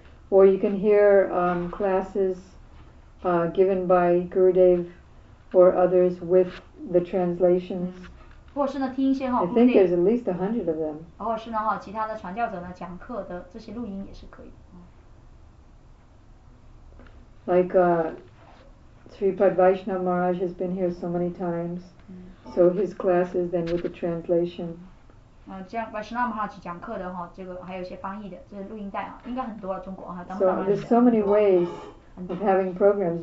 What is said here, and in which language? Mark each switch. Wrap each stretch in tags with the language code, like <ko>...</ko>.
<en>Or you can hear classes given by Gurudev or others with the translations.</en> <zh>或是呢听一些哈，Gurudev,</zh> <en>I think there's at least 100 of them.</en> <zh>或是呢其他的传教者呢讲课的这些录音也是可以的。</zh> <en>Like Sri Pad Vaishnava Maharaj has been here so many times, so his classes then with the translation.</en> <zh>Vaishnava Maharaj讲课的哈，这个还有一些翻译的，这录音带啊，应该很多啊，中国哈。</zh> <en>So there's so many ways of having programs.</en>